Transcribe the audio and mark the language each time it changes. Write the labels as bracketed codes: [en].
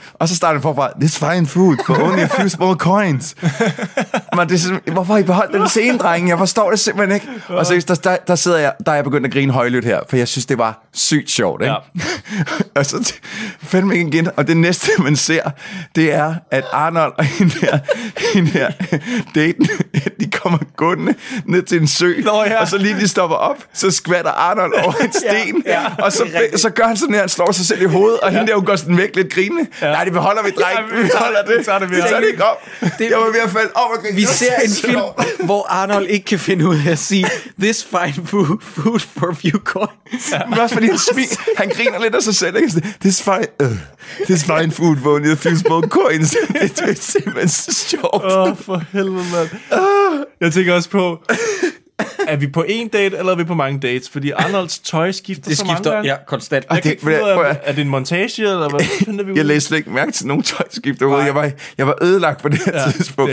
[da] Og så starter han forfra, [en] this fine food for only a few small coins. [da] Man, det er, hvorfor har I beholdt den scene, drenge? Jeg forstår det simpelthen ikke. Og så der sidder jeg, der er jeg begyndt at grine højlydt her, for jeg synes, det var sygt sjovt, ikke? Ja. Og så fandt mig igen, og det næste, man ser, det er, at Arnold og hende her daten, de kommer gående ned til en sø, og så lige de stopper op, så skvatter Arnold over en sten, og så gør han sådan her, han slår sig selv i hovedet, og hende der, hun går sådan væk lidt grinende. Ja. Nej, det beholder vi, dreng. Ja, vi tager det. Jeg var ved at falde over. Vi ser en film, hvor Arnold ikke kan finde ud af at sige, [en] this fine food for a few coins. [da] Ja. Også fordi han griner lidt af sig selv. Ikke? [en] This fine food for only a few small coins. [da] Det er simpelthen så sjovt. Åh, for helvede, mand. Jeg tænker også på, er vi på én date, eller er vi på mange dates? Fordi Arnolds tøj skifter så mange gange. Ja, konstant. Er det en montage, eller hvad finder vi ud? Jeg læste slet ikke mærke til nogen tøjskifter. Jeg var ødelagt på det her tidspunkt.